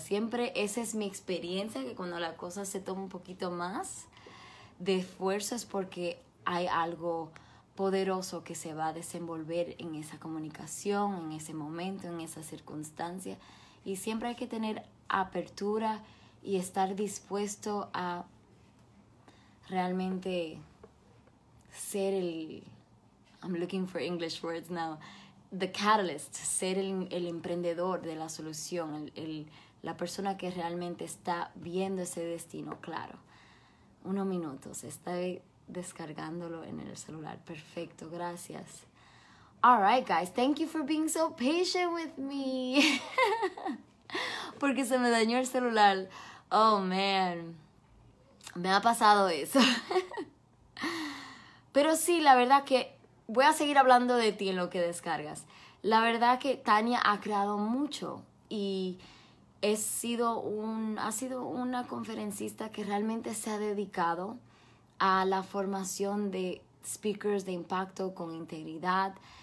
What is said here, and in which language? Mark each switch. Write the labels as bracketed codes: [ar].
[es] Siempre esa es mi experiencia, que cuando la cosa se toma un poquito más de esfuerzo es porque hay algo poderoso que se va a desenvolver en esa comunicación, en ese momento, en esa circunstancia. Y siempre hay que tener apertura y estar dispuesto a realmente ser el... [en] I'm looking for English words now. The catalyst, [es] ser el emprendedor de la solución, la persona que realmente está viendo ese destino, claro. Unos minutos, estoy descargándolo en el celular. Perfecto, gracias. [en] All right, guys, thank you for being so patient with me. [es] Porque se me dañó el celular. [en] Oh, man. [es] Me ha pasado eso. Pero sí, la verdad que... Voy a seguir hablando de ti en lo que descargas. La verdad que Tania ha creado mucho y ha sido una conferencista que realmente se ha dedicado a la formación de speakers de impacto con integridad.